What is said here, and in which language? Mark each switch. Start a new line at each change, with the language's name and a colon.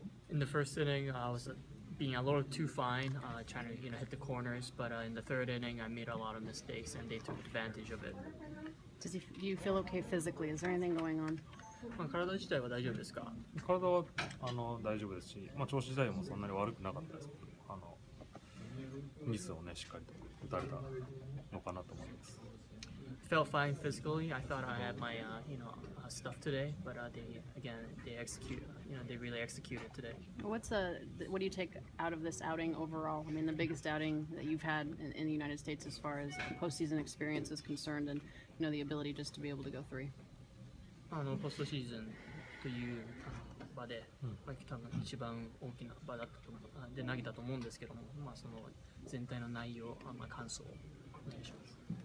English: In the first inning, I was being a little too fine, trying to hit the corners. But in the third inning, I made a lot of mistakes, and they took advantage of it. Do you feel okay physically? Is there anything going on?
Japanese: まあ体自体は大丈夫ですか？体は大丈夫ですし、まあ調子自体もそんなに悪くなかったですけど、ミスをねしっかりと打たれたのかなと思います。
English: Felt fine physically. I thought I had my stuff today, but they really executed today. What do you take out of this outing overall? I mean, the biggest outing that you've had in the United States as far as postseason experience is concerned, and the ability just to be able to go three.
Japanese: Postseason という場で、多分一番大きな場だったと思う、で投げたと思うんですけども、その全体の内容、感想をお願いします。